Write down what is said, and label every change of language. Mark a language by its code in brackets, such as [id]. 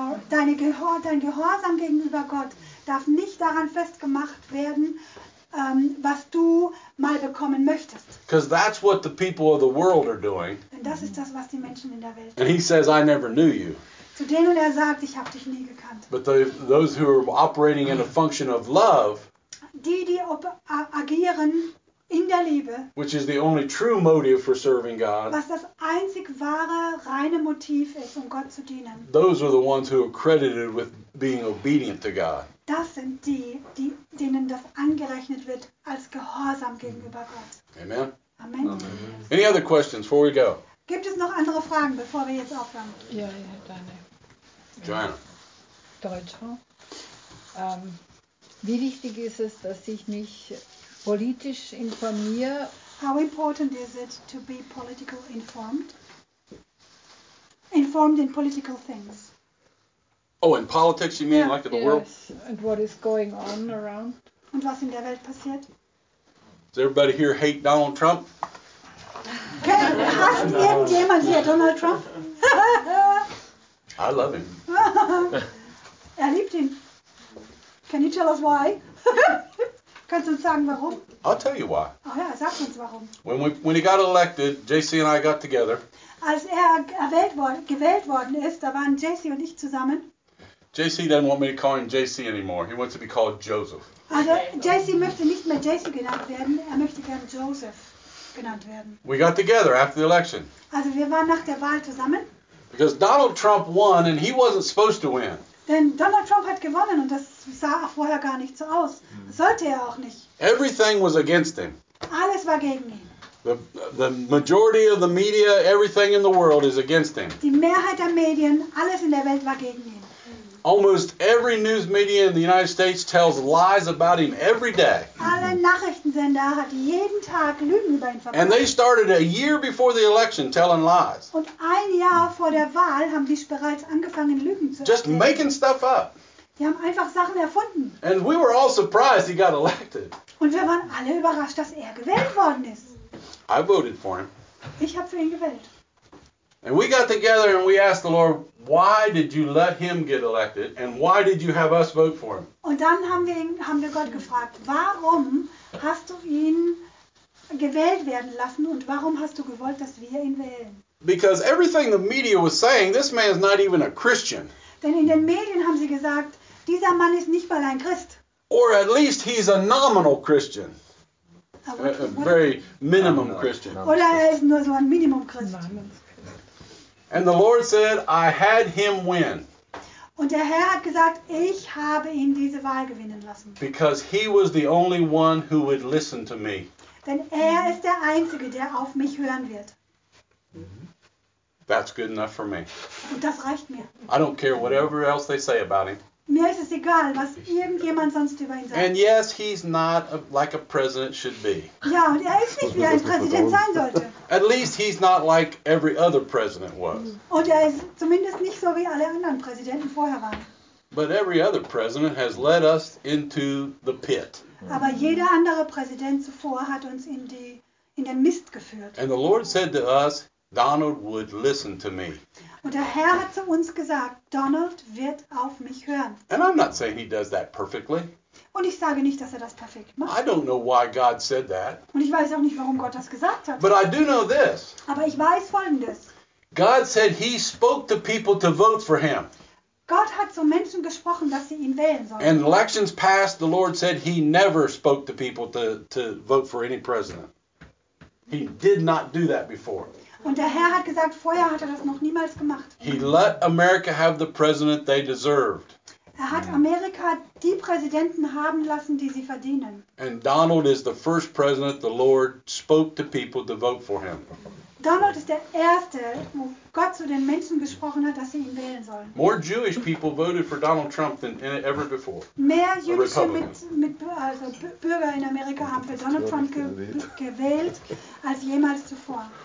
[de] Dein Gehorsam gegenüber Gott darf nicht daran festgemacht werden, was du mal bekommen möchtest. [en] Because that's what the people of the world are doing. [de] Denn das ist das, was die Menschen in der Welt tun. [en] And he says, I never knew you. [de] Zu denen er sagt, ich habe dich nie gekannt. [en] But those who are operating in a function of love, [de] die agieren in der Liebe, [en] which is the only true motive for serving God, [de] was das einzig wahre, reine Motiv ist, um Gott zu dienen, [en] those are the ones who are credited with being obedient to God. [de] Das sind die, die, denen das angerechnet wird als Gehorsam gegenüber Gott. [en] Amen. Amen. Amen. Any other questions before we go? [de] Gibt es noch andere Fragen, bevor wir jetzt aufhören? Ja, ich hätte eine. Joanna. Deutsch. Wie wichtig ist es, dass ich mich politisch informiere? [en] How important is it to be politically informed? Informed in political things. Oh, in politics, you mean, yeah, like in the yes. world? Yes, and what is going on around? [de] Und was in der Welt passiert? [en] Does everybody here hate Donald Trump? [de] Hasst irgendjemand hier Donald Trump? [en] I love him. [de] Er liebt ihn. [en] Can you tell us why? [de] Kannst du uns sagen, warum? [en] I'll tell you why. [de] Oh ja, sag uns warum. [en] When he got elected, JC and I got together. [de] Als er gewählt worden ist, da waren JC und ich zusammen. [en] JC doesn't want me to call him JC anymore. He wants to be called Joseph. [de] Also, JC möchte nicht mehr JC genannt werden. Er möchte gern Joseph genannt werden. [en] We got together after the election. [de] Also, wir waren nach der Wahl zusammen. [en] Because Donald Trump won and he wasn't supposed to win. [de] Denn Donald Trump hat gewonnen und das sah vorher gar nicht so aus. Sollte er auch nicht. [en] Everything was against him. [de] Alles war gegen ihn. [en] The majority of the media, everything in the world is against him. [de] Die Mehrheit der Medien, alles in der Welt war gegen ihn. [en] Almost every news media in the United States tells lies about him every day. [de] Alle Nachrichtensender hat jeden Tag Lügen über ihn verbreitet. [en] And they started a year before the election telling lies. [de] Und ein Jahr vor der Wahl haben die bereits angefangen Lügen zu erzählen. [en] Just making stuff up. [de] Die haben einfach Sachen erfunden. [en] And we were all surprised he got elected. [de] Und wir waren alle überrascht, dass gewählt worden ist. [en] I voted for him. [de] Ich habe für ihn gewählt. [en] And we got together and we asked the Lord, why did you let him get elected and why did you have us vote for him? [de] Und dann haben wir Gott gefragt, warum hast du ihn gewählt werden lassen und warum hast du gewollt, dass wir ihn wählen? [en] Because everything the media was saying, this man is not even a Christian. [de] Denn in den Medien haben sie gesagt, dieser Mann ist nicht mal ein Christ. [en] Or at least he's a nominal Christian. A very minimum Christian. [de] Oder er ist nur so ein Minimum Christ. [en] And the Lord said, I had him win. [de] Und der Herr hat gesagt, ich habe ihn diese Wahl gewinnen lassen. [en] Because he was the only one who would listen to me. [de] Denn ist der Einzige, der auf mich hören wird. [en] That's good enough for me. [de] Und das reicht mir. [en] I don't care whatever else they say about him. [de] Mir ist es egal, was irgendjemand sonst über ihn sagt. [en] And yes, he's not like a president should be. [de] Ja, und ist nicht, wie ein Präsident sein sollte. [en] At least he's not like every other president was. [de] Und ist zumindest nicht so, wie alle anderen Präsidenten vorher waren. [en] But every other president has led us into the pit. [de] Aber jeder andere Präsident zuvor hat uns in den Mist geführt. [en] And the Lord said to us, Donald would listen to me. [de] Und der Herr hat zu uns gesagt, Donald wird auf mich hören. [en] And I'm not saying he does that perfectly. [de] Und ich sage nicht, dass das perfekt macht. [en] I don't know why God said that. [de] Und ich weiß auch nicht, warum Gott das gesagt hat. [en] But I do know this. [de] Aber ich weiß Folgendes. [en] God said he spoke to people to vote for him. [de] Gott hat zu Menschen gesprochen, dass sie ihn wählen sollen. [en] And elections passed, the Lord said he never spoke to people to vote for any president. He did not do that before. [de] Und der Herr hat gesagt, vorher hat das noch niemals gemacht. [en] He let America have the president they deserved. [de] Hat Amerika die Präsidenten haben lassen, die sie verdienen. [en] And Donald is the first president the Lord spoke to people to vote for him. [de] Donald ist der erste, wo Gott zu den Menschen gesprochen hat, dass sie ihn wählen sollen. [en] More Jewish people voted for Donald Trump than ever before. [de] Mehr jüdische Bürger in Amerika haben für Donald Trump gewählt als jemals zuvor.